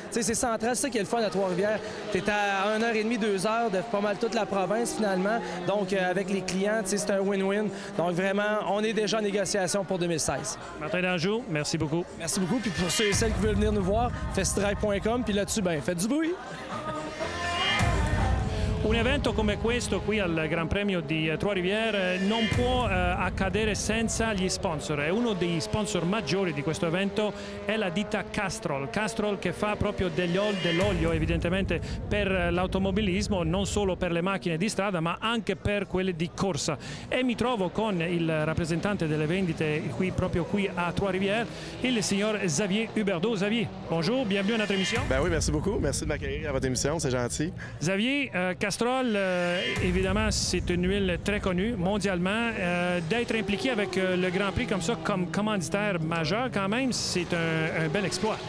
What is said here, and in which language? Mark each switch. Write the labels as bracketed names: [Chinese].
[French] Tu sais, c'est central, c'est ça qui est le fun à Trois-Rivières. Tu es à 1h30, 2h de pas mal toute la province, finalement. Donc, avec les clients, tu sais, c'est un win-win. Donc, vraiment, on est déjà en négociation pour 2016. Martin D'Anjou, merci beaucoup. Merci beaucoup. Puis pour ceux et celles qui veulent venir nous voir, festrail.com. Puis là-dessus, bien, faites du bruit. [Italian] Un evento come questo qui al Gran Premio di Trois-Rivières non può accadere senza gli sponsor. E uno degli sponsor maggiori di questo evento è la ditta Castrol. Castrol che fa proprio dell'olio evidentemente per l'automobilismo, non solo per le macchine di strada ma anche per quelle di corsa. E mi trovo con il rappresentante delle vendite qui proprio qui a Trois-Rivières, il signor Xavier Huberdeau. [French] Xavier, bonjour, bienvenue à notre émission. Ben oui, merci beaucoup. Merci de m'accueillir à votre émission, c'est gentil. Xavier, Castrol, évidemment, c'est une huile très connue mondialement. D'être impliqué avec le Grand Prix comme ça, comme commanditaire majeur, quand même, c'est un bel exploit.